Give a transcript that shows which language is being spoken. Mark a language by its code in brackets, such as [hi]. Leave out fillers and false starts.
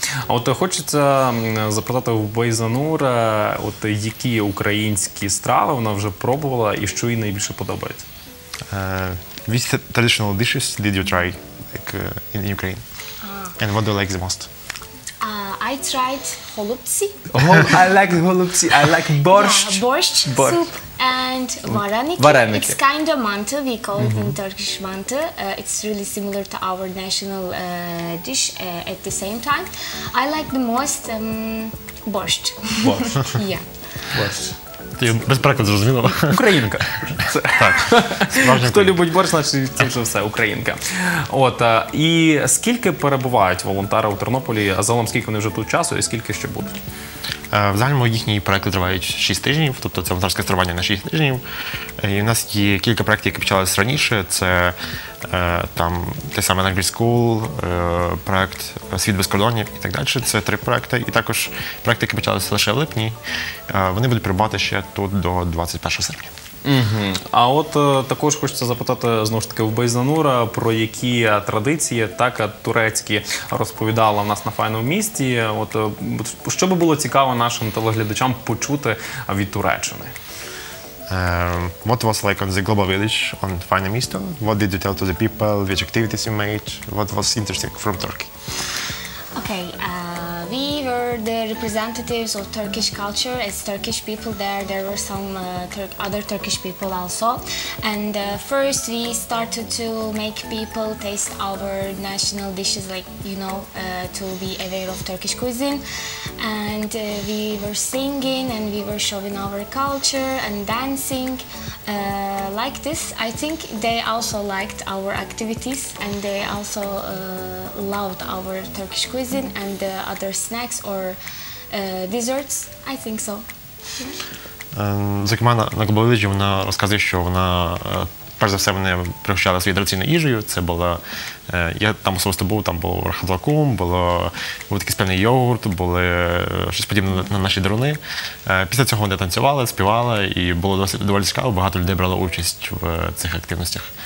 [uk] А от хочеться запитати у Байзанур, от які українські страви вона вже пробувала і що їй найбільше подобається? [en] Which traditional dishes did you try like, in Ukraine? And what do you like the most? I tried holubtsi. I like holubtsi. I like borscht. Yeah, borscht soup and vareniki. It's kind of manta, we call it in Turkish manta. It's really similar to our national dish at the same time. I like the most borscht. Borscht. Yeah. [uk] Борщ. Ти без переклад зрозуміло. Українка. Так. Хто любить борщ, значить це вже все українка. От, і скільки перебувають волонтери у Тернополі? А загалом скільки вони вже тут часу і скільки ще будуть? Взагалі їхні проекти тривають 6 тижнів, тобто це волонтерське тренування на 6 тижнів. І в нас є кілька проєктів, які почалися раніше. Це там те саме Angry School, проєкт «Світ без кордонів» і так далі. Це три проєкти. І також проєкти, які почалися лише в липні, вони будуть перебувати ще тут до 21 серпня. А от також хочеться запитати, знову ж таки, в Байзанура, про які традиції, так, турецькі розповідала в нас на файному місті. От, що би було цікаво нашим телеглядачам почути від Туреччини? [en] What was like on the global village on Fajna Misto? What did you tell to the people? Which activities you made? What was interesting from Turkey? Okay, we were the representatives of Turkish culture. As Turkish people there, there were some other Turkish people also. And first we started to make people taste our national dishes, like, you know, to be aware of Turkish cuisine. And we were singing and we were showing our culture and dancing. Like this, I think they also liked our activities and they also loved our Turkish cuisine and the other snacks or desserts, I think so. [uk] Зокрема, на Global Village вона розказує, що вона, перш за все, вони пригощали своєю традиційною їжею. Це була, я там особисто був, там був рахатлакум, був такий спільний йогурт, були щось подібне на наші даруни. Після цього вони танцювали, співали, і було доволі цікаво, багато людей брало участь в цих активностях.